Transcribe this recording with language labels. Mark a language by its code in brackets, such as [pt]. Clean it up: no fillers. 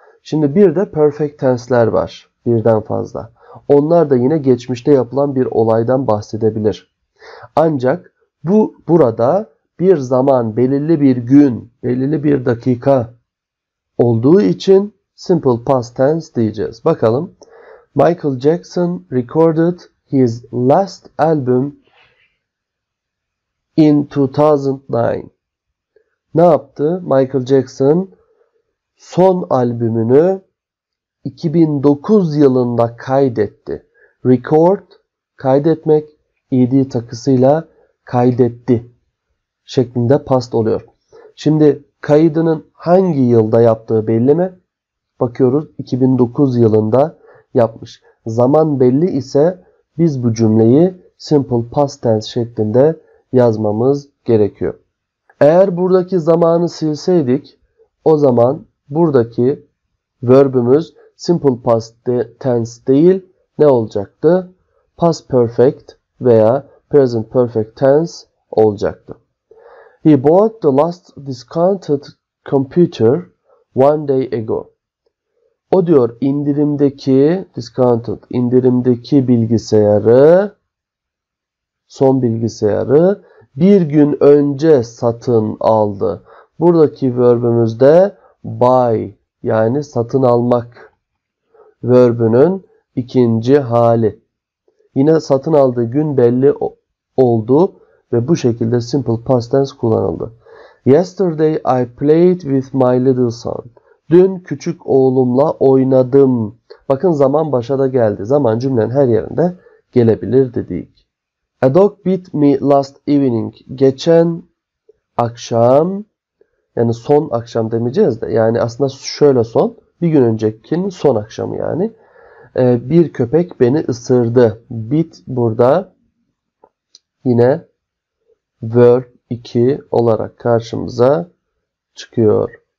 [tr] Şimdi bir de perfect tense'ler var, birden fazla. Onlar da yine geçmişte yapılan bir olaydan bahsedebilir. Ancak bu burada bir zaman, belirli bir gün, belirli bir dakika olduğu için simple past tense diyeceğiz. Bakalım. [en] Michael Jackson recorded his last album in 2009. [tr] Ne yaptı? Michael Jackson son albümünü 2009 yılında kaydetti. Record, kaydetmek, ED takısıyla kaydetti şeklinde past oluyor. Şimdi kaydının hangi yılda yaptığı belli mi? Bakıyoruz, 2009 yılında yapmış. Zaman belli ise biz bu cümleyi simple past tense şeklinde yazmamız gerekiyor. Eğer buradaki zamanı silseydik, o zaman buradaki verbümüz simple past tense değil, ne olacaktı? Past perfect veya present perfect tense olacaktı. [en] He bought the last discounted computer one day ago. [tr] O diyor indirimdeki, discounted, indirimdeki bilgisayarı, son bilgisayarı bir gün önce satın aldı. Buradaki verbümüz de buy, yani satın almak verbünün ikinci hali. Yine satın aldığı gün belli oldu ve bu şekilde simple past tense kullanıldı. [en] Yesterday I played with my little son. [tr] Dün küçük oğlumla oynadım. Bakın zaman başa da geldi. Zaman cümlenin her yerinde gelebilir dedik. [en] A dog bit me last evening. [tr] Geçen akşam, yani son akşam demeyeceğiz de, yani aslında şöyle son, bir gün öncekinin son akşamı yani. Bir köpek beni ısırdı. Bit burada yine verb 2 olarak karşımıza çıkıyor.